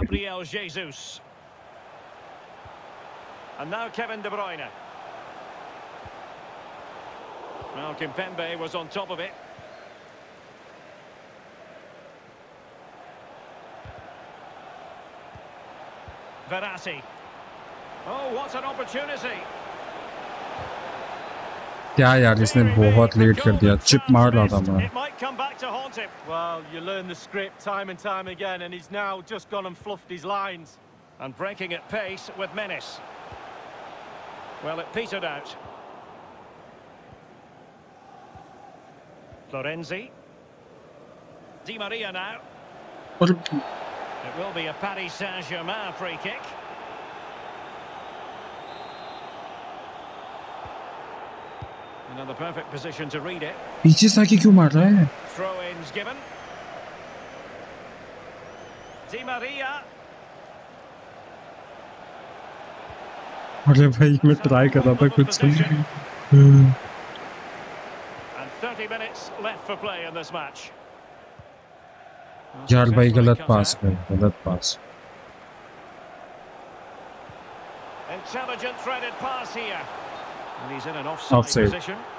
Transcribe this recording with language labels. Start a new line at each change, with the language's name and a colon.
English: Gabriel Jesus and now Kevin De Bruyne, well Kimpembe was on top of it, Verratti.
Hindi: क्या यार इसने बहुत late कर दिया, चिप मार रहा था मैं.
English: Well, you learn the script time and time again, and he's now just gone and fluffed his lines and breaking at pace with menace. Well, it petered out. Florenzi, Di Maria now. It will be a Paris Saint-Germain free kick. In the perfect position to read it.
Hindi: पीछे से आके क्यों मार रहा है?
English: Throw-in's given. Di Maria.
Hindi: अरे भाई मैं ट्राई कर रहा था कुछ सुन.
English: And 30 minutes left for play in this match.
Hindi: यार भाई गलत पास कर, गलत पास.
English: Intelligent threaded pass here. And he's in an offside position.